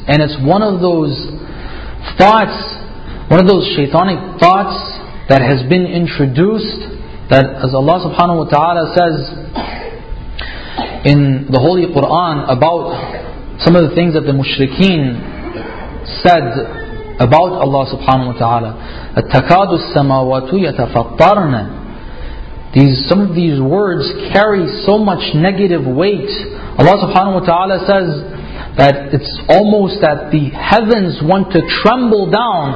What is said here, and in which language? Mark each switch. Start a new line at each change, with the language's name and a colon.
English: And it's one of those thoughts, one of those shaitanic thoughts that has been introduced, that as Allah subhanahu wa ta'ala says in the Holy Quran about some of the things that the mushrikeen said about Allah subhanahu wa ta'ala.
Arabic: التَكَادُ السَّمَاوَاتُ يَتَفَطَّرْنَ.
English: Some of these words carry so much negative weight. Allah subhanahu wa ta'ala says that it's almost that the heavens want to tremble down.